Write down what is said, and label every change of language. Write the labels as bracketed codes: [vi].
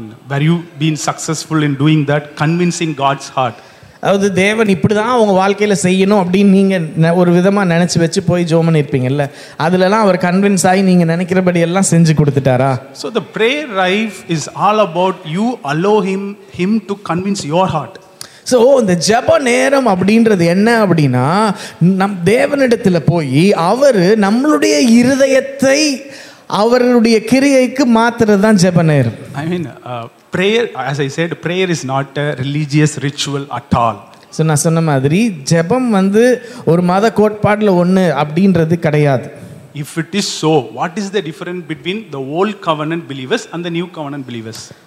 [en] Were you being successful in doing that, convincing God's heart? [ta] அதாவது தேவன் இப்படிதான் உங்க வாழ்க்கையில செய்யணும் அப்படின்னு நீங்க ஒரு விதமா நினைச்சு வச்சு போய் ஜோமன் இருப்பீங்கல்ல, அதுல எல்லாம் அவர் கன்வின்ஸ் ஆகி நீங்க நினைக்கிறபடி எல்லாம் செஞ்சு கொடுத்துட்டாரா? [en] So the prayer life is all about you allow him to convince your heart. [ta] So இந்த ஜப நேரம் அப்படின்றது என்ன அப்படின்னா, நம் தேவனிடத்தில் போய் அவர் நம்மளுடைய இருதயத்தை அவருடைய கிரியைக்கு மாத்துறது தான் ஜப நேரம். [en] I mean, prayer, as I said, prayer is not a religious ritual at all. [ta] So நான் சொன்ன மாதிரி ஜபம் வந்து ஒரு மத கோட்பாட்டில் ஒன்று அப்படின்றது கிடையாது. [en] If it is so, what is the difference between the old covenant believers and the new covenant believers?